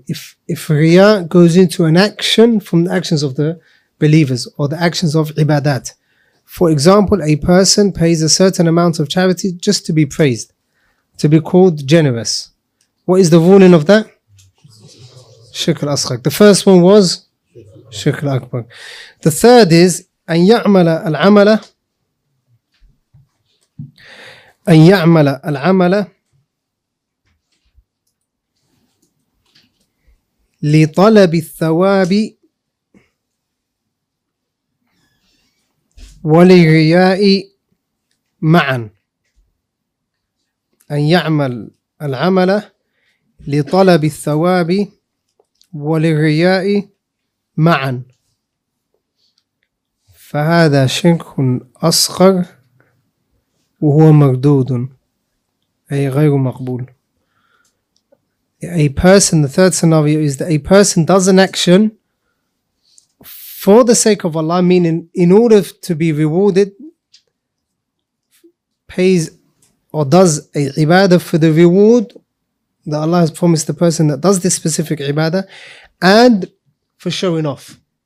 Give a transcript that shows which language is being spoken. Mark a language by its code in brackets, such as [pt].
[en] If riya goes into an action from the actions of the believers or the actions of ibadat. For example, a person pays a certain amount of charity just to be praised, to be called generous. What is the ruling of that? Shirk al-asghar. The first one was? Shirk al-Akbar. [ar] The third is أن يعمل العمل أن يعمل العمل لطلب الثواب ولرياء معا أن يعمل العمل لطلب الثواب وللرياء معا، فهذا شرك أصغر وهو مردود أي غير مقبول. [en] A person, the third scenario is that a person does an action for the sake of Allah, meaning in order to be rewarded, pays or does a ibadah for the reward that Allah has promised the person that does this specific ibadah, and for showing off.